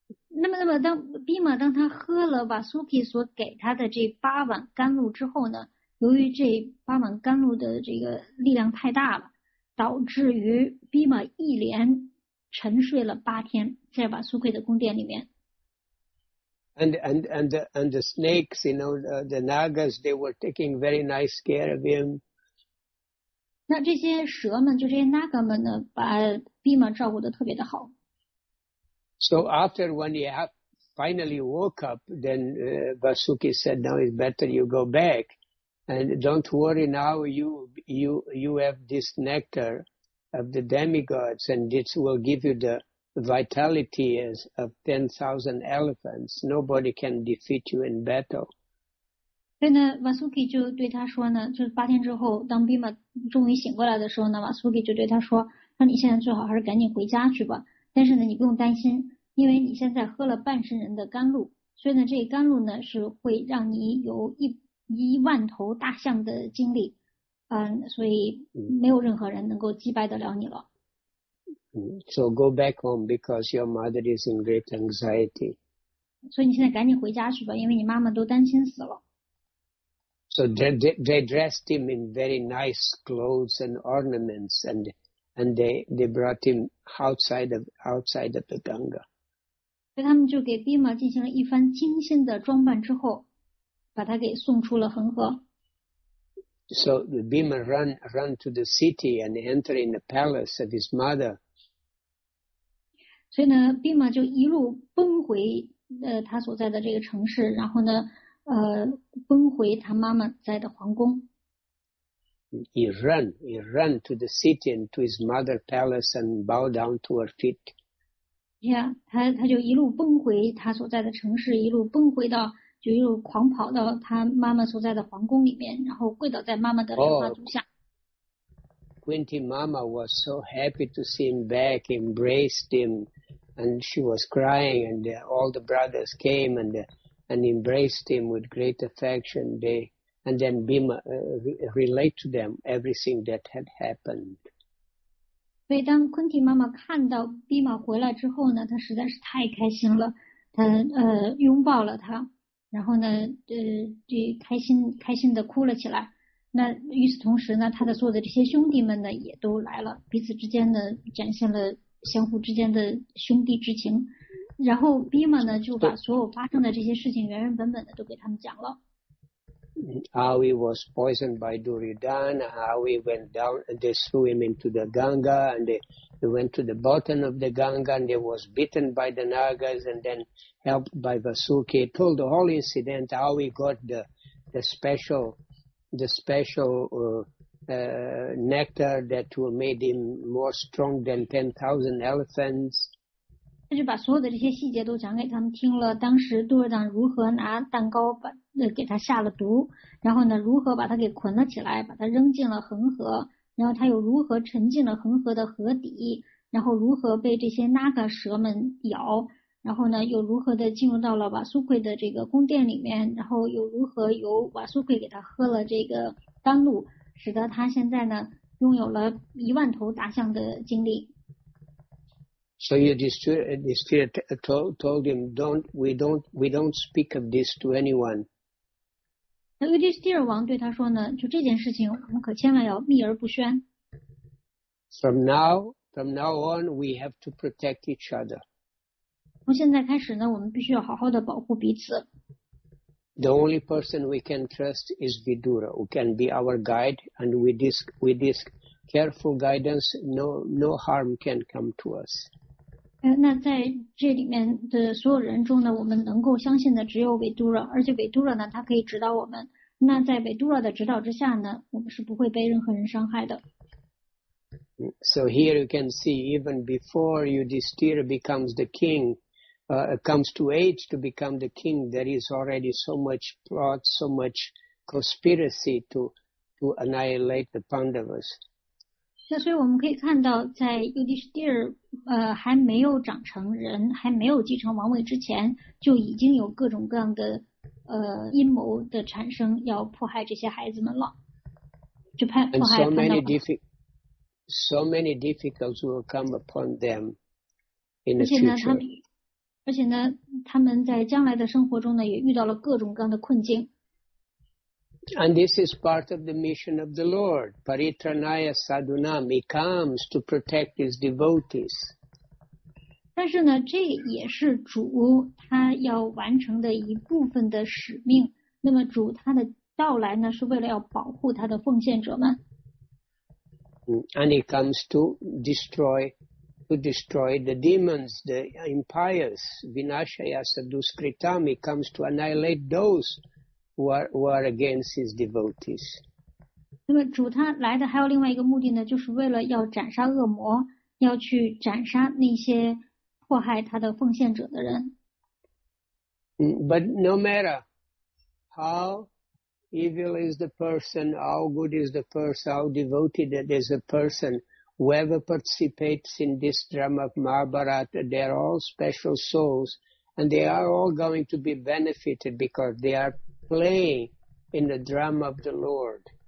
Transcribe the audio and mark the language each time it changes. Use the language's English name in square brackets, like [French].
[Chinese] 那么当毕马当他喝了瓦苏基所给他的这八碗甘露之后呢，由于这八碗甘露的这个力量太大了，导致于毕马一连沉睡了八天，在瓦苏奎的宫殿里面。 [English] And the snakes, you know, the nagas, they were taking very nice care of him. [Chinese] 那这些蛇们，就这些 naga 们呢，把毕马照顾得特别的好。 [English] So after when he finally woke up, then Vasuki said, "Now it's better you go back." And don't worry now, you have this nectar of the demigods, and this will give you the vitality as of 10,000 elephants. Nobody can defeat you in battle. [Chinese] 所以呢 ，Vasuki 就对他说呢，就是八天之后，当 Bhima 终于醒过来的时候呢 ，Vasuki 就对他说，那你现在最好还是赶紧回家去吧。但是呢，你不用担心，因为你现在喝了半身人的甘露，所以呢，这个甘露呢是会让你有一万头大象的精力，所以没有任何人能够击败得了你了。 [English] So go back home because your mother is in great anxiety. [Chinese] 所以你现在赶紧回家去吧，因为你妈妈都担心死了。 [English] So they dressed him in very nice clothes and ornaments, and they brought him outside of the Ganga. [Chinese] 所以他们就给 Bhima 进行了一番精心的装扮之后。把他给送出了恒河。 [English] So Bhima run to the city and enter in the palace of his mother. [Chinese] 所以呢 ，Bhima 就一路奔回他所在的这个城市，然后呢，奔回他妈妈在的皇宫。 [English] He ran to the city and to his mother's palace and bow down to her feet. [Chinese] Yeah, 他就一路奔回他所在的城市，一路奔回到。就又狂跑到他妈妈所在的皇宫里面，然后跪倒在妈妈的莲花足下。 [English] Quinti Mama was so happy to see him back, embraced him, and she was crying. And all the brothers came and embraced him with great affection. And then Bhima relate to them everything that had happened. [Chinese] 所以当 Quinti Mama 看到 Bhima 回来之后呢，她实在是太开心了，她拥抱了他。然后呢，就开心的哭了起来。那与此同时呢，他的所有的这些兄弟们呢，也都来了，彼此之间呢，展现了相互之间的兄弟之情。然后 Bhima 呢，就把所有发生的这些事情原原本本的都给他们讲了。 [English] How he was poisoned by Duryodhana, how he went down, and they threw him into the Ganga, and he went to the bottom of the Ganga, and he was bitten by the Nagas, and then. Helped by Vasuki, told the whole incident how he got the special nectar that will make him more strong than 10,000 elephants. [Chinese] 他就把所有的这些细节都讲给他们听了。当时杜尔丹如何拿蛋糕把给他下了毒，然后呢，如何把他给捆了起来，把他扔进了恒河，然后他又如何沉进了恒河的河底，然后如何被这些 Naga 蛇们咬。然后呢，又如何的进入到了瓦苏奎的这个宫殿里面？然后又如何由瓦苏奎给他喝了这个甘露，使得他现在呢拥有了一万头大象的精力 [English] ？So the spirit told him, "We don't speak of this to anyone." [Chinese] 那尤迪斯提尔王对他说呢，就这件事情，我们可千万要秘而不宣。 [English] From now on, we have to protect each other. [Chinese] 从现在开始呢，我们必须要好好的保护彼此。 [English] The only person we can trust is Vidura, who can be our guide, and with this careful guidance, no harm can come to us. [Chinese] 那在这里面的所有人中呢，我们能够相信的只有 Vidura, 而且 Vidura 呢，他可以指导我们。那在 Vidura 的指导之下呢，我们是不会被任何人伤害的。 [English] So here you can see, even before Yudhishthira becomes the king. Comes to age to become the king, there is already so much plot, so much conspiracy to annihilate the Pandavas. [Chinese] 所以我们可以看到，在尤迪士蒂尔还没有长成人，还没有继承王位之前，就已经有各种各样的阴谋的产生，要迫害这些孩子们了，就判迫害。 [English] And so many difficulties will come upon them in the future. [Chinese] 而且呢，他们在将来的生活中呢，也遇到了各种各样的困境。 [English] And this is part of the mission of the Lord. [Sanskrit] Paritranaya Sadunam, [English] he comes to protect his devotees. [Chinese] 但是呢，这也是主他要完成的一部分的使命。那么主他的到来呢，是为了要保护他的奉献者们。 [English] And he comes to destroy the demons, the impious. [Sanskrit] Vinashaya Saduskritam, [English] he comes to annihilate those. Who are against his devotees. [Chinese] 那么主他来的还有另外一个目的呢，就是为了要斩杀恶魔，要去斩杀那些迫害他的奉献者的人。 [English] But no matter how evil is the person, how good is the person, how devoted it is a person, whoever participates in this drama of Mahabharata, they are all special souls, and they are all going to be benefited because they areplay in the drama of the Lord.